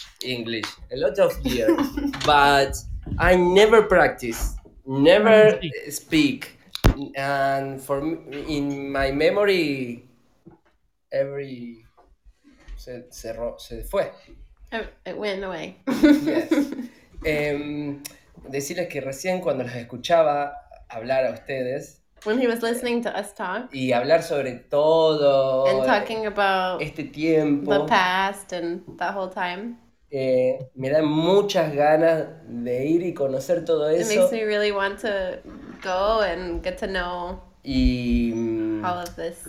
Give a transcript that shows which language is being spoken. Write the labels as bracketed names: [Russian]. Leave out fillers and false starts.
[English] English a lot of years, but I never practice, never speak, and for me, in my memory, every [Spanish] se fue. [English] It went away. Yes. [Spanish] Decirles que recién cuando los escuchaba hablar a ustedes. [English] When he was listening to us talk. [Spanish] Y hablar sobre todo. [English] And talking about [Spanish] este tiempo. [English] The past and that whole time. [Spanish] Me da muchas ganas de ir y conocer todo eso. [English] It makes me really want to go and get to know all of this.